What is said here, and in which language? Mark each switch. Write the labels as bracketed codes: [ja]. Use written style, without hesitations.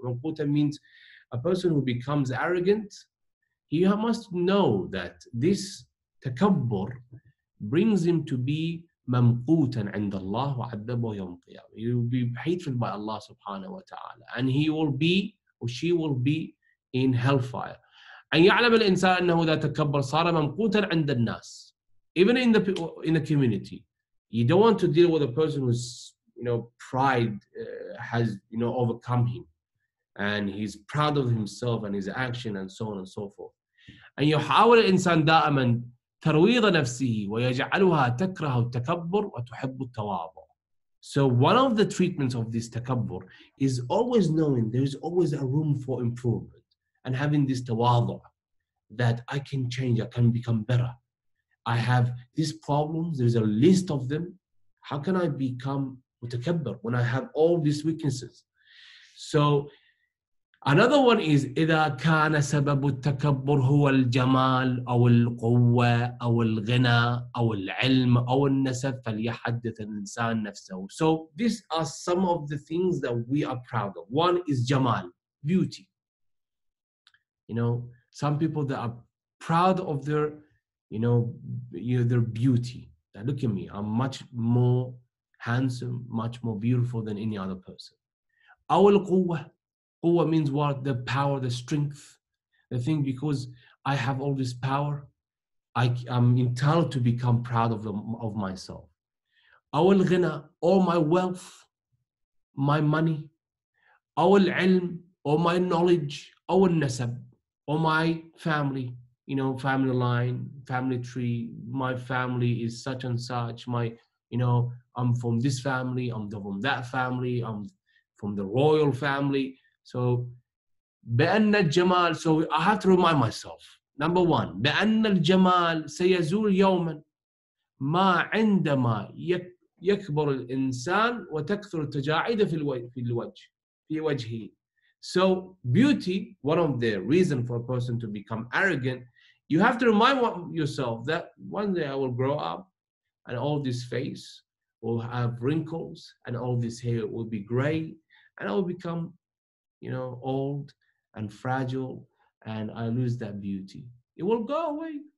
[en] مَنْقُوتًا means a person who becomes arrogant. He must know that this takabbur brings him to be [ar] مَمْقُوتًا عِنْدَ اللَّهِ وَعَذَّبَهُ يَوْمَ الْقِيَامَةِ. [en] He will be hated by Allah subhanahu wa ta'ala. And he will be, or she will be, in hellfire. [ar] أن يعلم الإنسان أنه إذا تكبر صار ممقوتا عند الناس. [en] Even in the community, you don't want to deal with a person whose, you know, pride has, you know, overcome him, and he's proud of himself and his action and so on and so forth. [ar] أن يحاول الإنسان دائما ترويض نفسه ويجعلها تكره التكبر وتحب التواضع. [en] So one of the treatments of this takabbur is always knowing there is always a room for improvement. And having this tawadu, that I can change, I can become better. I have these problems, there's a list of them. How can I become mutakabbar when I have all these weaknesses? So another one is, [ar] إذا كان سبب التكبر هو الجمال أو القوة أو الغنى أو العلم أو النسب فليحدث الإنسان نفسه. [en] So these are some of the things that we are proud of. One is jamal, beauty. You know, some people that are proud of their, you know, their beauty. That look at me, I'm much more handsome, much more beautiful than any other person. Awal quwwa. Quwwa means what? The power, the strength. The thing, because I have all this power, I'm entitled to become proud of myself. Awal ghina, all my wealth, my money. Awal ilm, all my knowledge. Awal nasab. Or my family, you know, family line, family tree, my family is such and such, my, you know, I'm from this family, I'm from that family, I'm from the royal family. So, [ar] بَأَنَّ الْجَمَالِ, [en] so I have to remind myself. Number one, [ar] بَأَنَّ الْجَمَالِ سَيَزُولْ يَوْمًا مَا عِنْدَمَا يَكْبَرُ الْإِنسَانِ وَتَكْثُرُ التَّجَاعِدَ فِي الْوَجْهِ. [en] So beauty, one of the reasons for a person to become arrogant, you have to remind yourself that one day I will grow up and all this face will have wrinkles and all this hair will be gray and I will become, you know, old and fragile and I lose that beauty. It will go away.